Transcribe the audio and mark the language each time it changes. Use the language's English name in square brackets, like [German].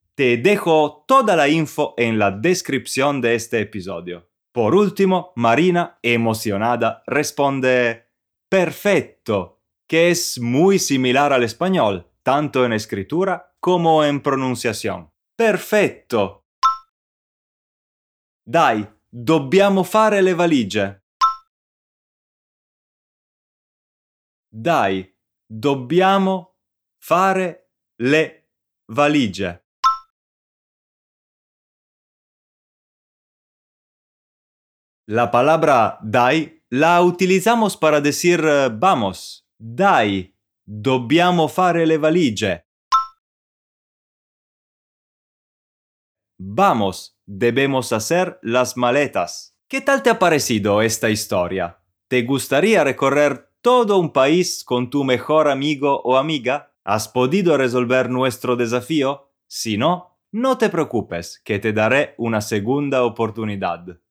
[Spanish] Te dejo toda la info en la descripción de este episodio. Por último, Marina, emocionada, responde «Perfecto». Que es muy similar al español, tanto en escritura como en pronunciación. [Italian] Perfetto! Dai, dobbiamo fare le valigie! Dai, dobbiamo fare le valigie! La parola dai la utilizziamo per [Spanish] decir vamos. [Italian] Dai, dobbiamo fare le valigie. [Spanish] Vamos, debemos hacer las maletas. ¿Qué tal te ha parecido esta historia? ¿Te gustaría recorrer todo un país con tu mejor amigo o amiga? ¿Has podido resolver nuestro desafío? Si no, no te preocupes, que te daré una segunda oportunidad.